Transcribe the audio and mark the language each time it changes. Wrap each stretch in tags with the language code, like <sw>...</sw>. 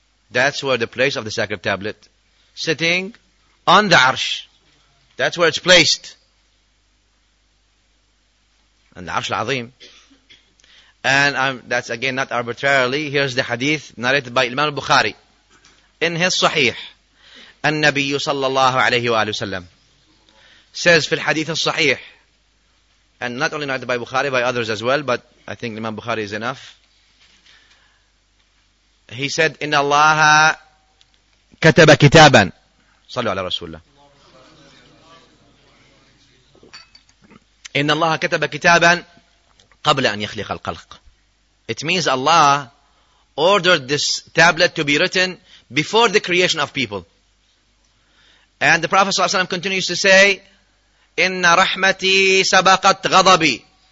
<en>That's where the place of the sacred tablet. Sitting on the arsh. That's where it's placed. And the arsh al-azim. And that's again not arbitrarily. Here's the hadith narrated by Imam al-Bukhari. In his sahih.</en> <ar>النبي صلى الله عليه وآله وسلم</ar> <en>says</en> <ar>في الحديث الصحيح.</ar> <en>And not only narrated by Bukhari, by others as well, but I think Imam Bukhari is enough. He said,</en> <ar>إِنَّ اللَّهَ كَتَبَ كِتَابًا صلوا على رسول الله. إِنَّ اللَّهَ كَتَبَ كِتَابًا قَبْلَ أَنْ يَخْلِقَ الْقَلْقِ.</ar> <en>It means Allah ordered this tablet to be written before the creation of people. And the Prophet ﷺ continues to say,</en> <ar>إِنَّ رَحْمَتِي سَبَقَتْ غَضَبِي.</ar>